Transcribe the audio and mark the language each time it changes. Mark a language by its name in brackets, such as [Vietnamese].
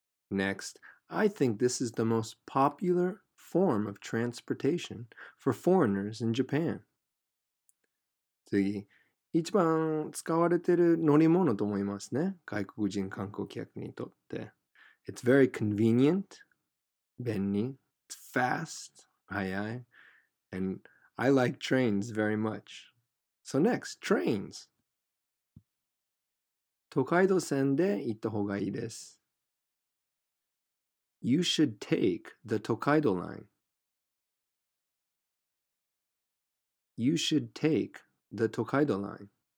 [English] Next, I think this is the most popular form of transportation for foreigners in Japan. [Japanese] 次、一番使われてる乗り物と思いますね。外国人観光客にとって。 [English] It's very convenient, 便利、It's fast, 早い、And I like trains very much. So next, trains. [Japanese] 東海道線で行った方がいいです。 [English] You should take the Tokaido line. You should take the Tokaido line.